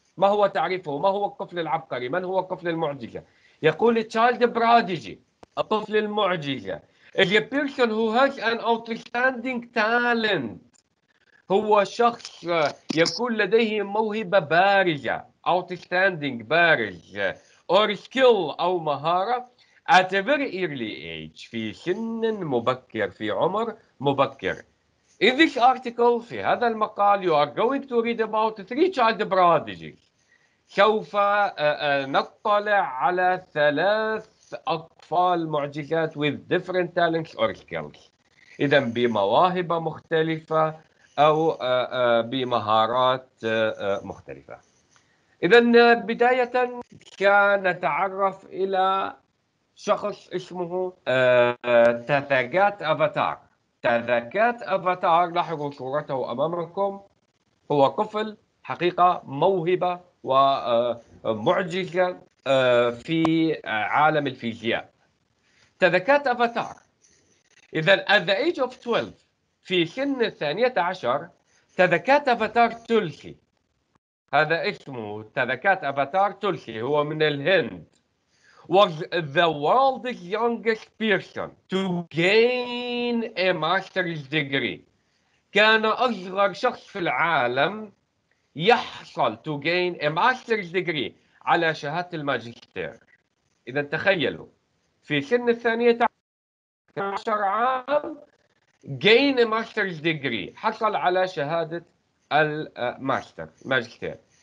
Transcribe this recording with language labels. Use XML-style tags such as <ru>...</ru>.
<ar>ما هو تعريفه؟ ما هو الطفل العبقري؟ من هو الطفل المعجزة؟ يقول</ar> <en>child prodigy</en> <ar>الطفل المعجزة</ar> <en>is a person who has an outstanding talent.</en> <ar>هو شخص يكون لديه موهبة بارزة outstanding بارز</ar> <en>or skill</en> <ar>أو مهارة</ar> <en>at a very early age</en> <ar>في سن مبكر في عمر مبكر.</ar> <en>In this article</en> <ar>في هذا المقال</ar> <en>you are going to read about three child prodigies.</en> <ar>سوف نطلع على ثلاث أطفال معجزات</ar> <en>with different talents or skills.</en> <ar>إذا بمواهب مختلفة أو بمهارات مختلفة. إذا بداية سنتعرف إلى شخص اسمه تذاكات أفاتار. تذاكات أفاتار لاحظوا صورته أمامكم. هو طفل حقيقة موهبة ومعجزة في عالم الفيزياء. تذاكات أفاتار. إذا</ar> <en>at the age of 12</en> <ar>في سن الثانية عشر تذاكات أفاتار تلسي. هذا اسمه تذاكات أفاتار تلسي هو من الهند.</ar> <en>Was the world's youngest person to gain a master's degree.</en> <ar>كان أصغر شخص في العالم يحصل</ar> <en>to gain a master's degree</en> <ar>على شهادة الماجستير. إذا تخيلوا في سن الثانية عشر عام</ar> <en>gain a master's degree</en> <ar>حصل على شهادة الماستر ماجستير.</ar>